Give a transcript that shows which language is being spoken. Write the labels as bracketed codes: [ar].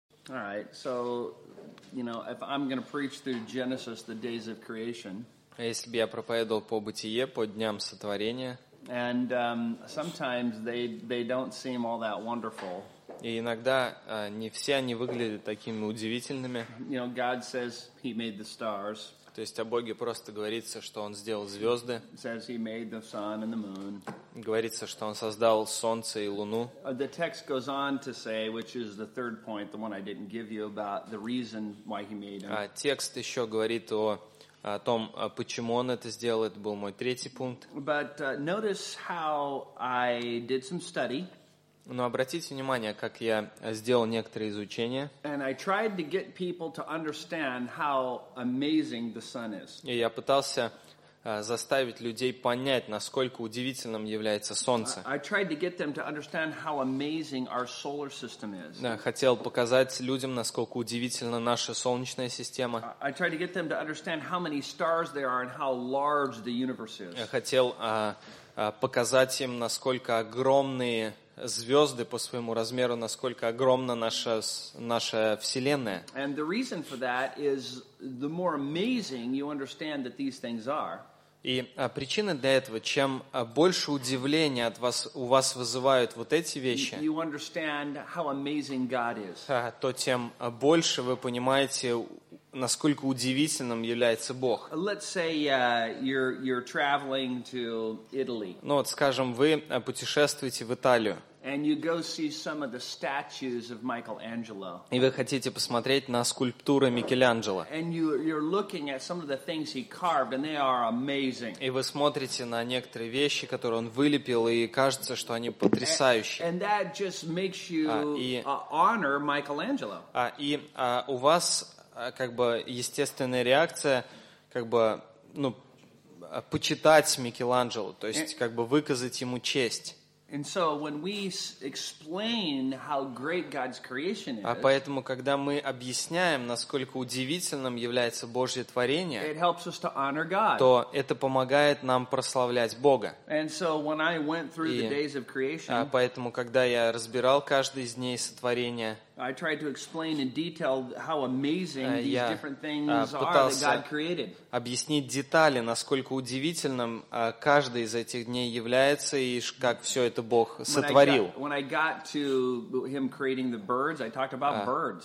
[en] All right, so, you know, if I'm going to preach through Genesis, the days of creation. [ru] Если бы я проповедовал по бытие, по дням сотворения. [en] And sometimes they don't seem all that wonderful. [ru] И иногда не все они выглядят такими удивительными. [en] You know, God says He made the stars. [ru] То есть о Боге просто говорится, что Он сделал звезды. [en] Says He made the sun and the moon. [ru] Говорится, что Он создал солнце и луну. [en] The text goes on to say, which is the third point, the one I didn't give you, about the reason why He made them. [ru] Текст еще говорит о том, почему Он это сделал. Это был мой третий пункт. [en] But notice how I did some study. [ru] Но обратите внимание, как я сделал некоторые изучения. [en] And I tried to get people to understand how amazing the sun is. [ru] И я пытался заставить людей понять, насколько удивительным является солнце. [en] I tried to get them to understand how amazing our solar system is. [ru] Да, хотел показать людям, насколько удивительна наша солнечная система. [en] I tried to get them to understand how many stars there are and how large the universe is. [ru] Я хотел показать им, насколько огромные звезды по своему размеру, насколько огромна наша Вселенная. [en] And the reason for that is the more amazing you understand that these things are. [ru] И причина для этого, чем больше удивления от вас, у вас вызывают вот эти вещи, [en] you understand how amazing God is. [ru] То тем больше вы понимаете, насколько удивительным является Бог. [en] Let's say you're traveling to Italy. [ru] Ну вот, скажем, вы путешествуете в Италию. [en] And you go see some of the statues of Michelangelo. [ru] И вы хотите посмотреть на скульптуры Микеланджело. [en] And you're looking at some of the things he carved, and they are amazing. [ru] И вы смотрите на некоторые вещи, которые он вылепил, и кажется, что они потрясающие. [en] And that just makes you honor Michelangelo. [ru] У вас как бы естественная реакция, как бы, ну, почитать Микеланджело, то есть как бы выказать ему честь. [en] And so when we explain how great God's creation is, [ru] а поэтому когда мы объясняем, насколько удивительным является Божье творение, [en] it helps us to honor God. [ru] То это помогает нам прославлять Бога. [en] And so when I went through the days of creation, [ru] а поэтому когда я разбирал каждый из дней сотворения, [en] I tried to explain in detail how amazing these different things are that God created. [ru] Объяснить детали, насколько удивительным каждый из этих дней является и как все это Бог сотворил. [en] When I got to him creating the birds, I talked about birds.